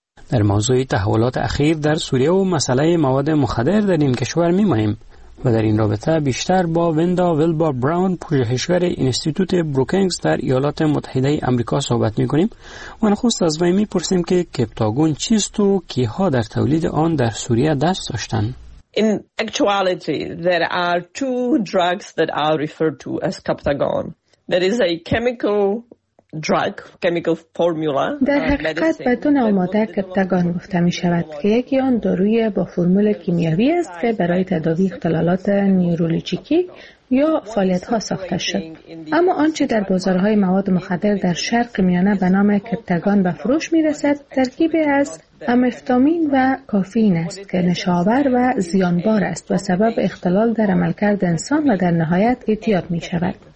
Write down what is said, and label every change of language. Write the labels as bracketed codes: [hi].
[fa] در موضوع تحولات اخیر در سوریه و مسئله مواد مخدر در این کشور می‌مانیم و در این رابطه بیشتر با ویندا ویلبار براون، پژوهشگر اینستیتوت بروکینگز در ایالات متحده آمریکا صحبت می کنیم و نخست از وی می پرسیم که کپتاگون چیست و کیها در تولید آن در سوریه دست داشتند. [en] In actuality, there are 2 drugs that are referred to as Captagon. There is a chemical drug, chemical formula. [fa] در حقیقت به دو نام ماده کپتاگون گفته می شود که یکی آن داروی با فرمول کیمیایی است که برای تداوی اختلالات نیورولوژیکی یا فعالیت ها ساخته شد. اما آنچه در بازارهای مواد مخدر در شرق میانه به نام کپتاگون به فروش می رسد ترکیبی از امفتامین و کافئین است که نشاور و زیانبار است و سبب اختلال در عملکرد انسان و در نهایت اعتیاد می شود.